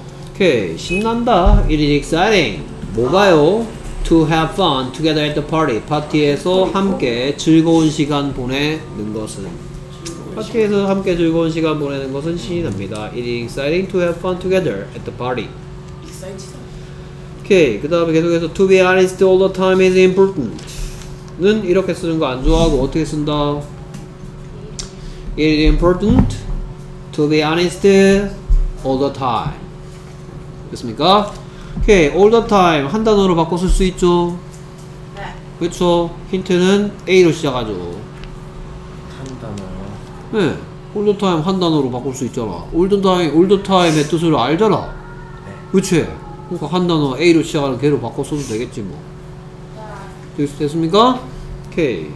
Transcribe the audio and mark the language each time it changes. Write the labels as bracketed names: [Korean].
[Korean] 오케이. 신난다. [English] It is exciting. [Korean] 뭐가요? [English] To have fun together at the party. [Korean] 파티에서 함께 즐거운 시간 보내는 것은. 파티에서 함께 즐거운 시간 보내는 것은 신이 납니다. [English] It is exciting to have fun together at the party. Exciting. 오케이. 그 다음에 계속해서 To be honest all the time is important. [Korean] 는 이렇게 쓰는 거 안 좋아하고 어떻게 쓴다? [English] It is important to be honest all the time. 됐습니까? 오케이. All the time. [Korean] 한 단어로 바꿔 쓸 수 있죠? 네. 그쵸. 힌트는 A로 시작하죠. 한 단어. 네. [English] All the time [Korean] 한 단어로 바꿀 수 있잖아. All the time의 뜻을 알잖아. 네. 그치? 그니까 한 단어 A로 시작하는 걔로 바꿔 써도 되겠지 뭐. 됐습니까? 오케이.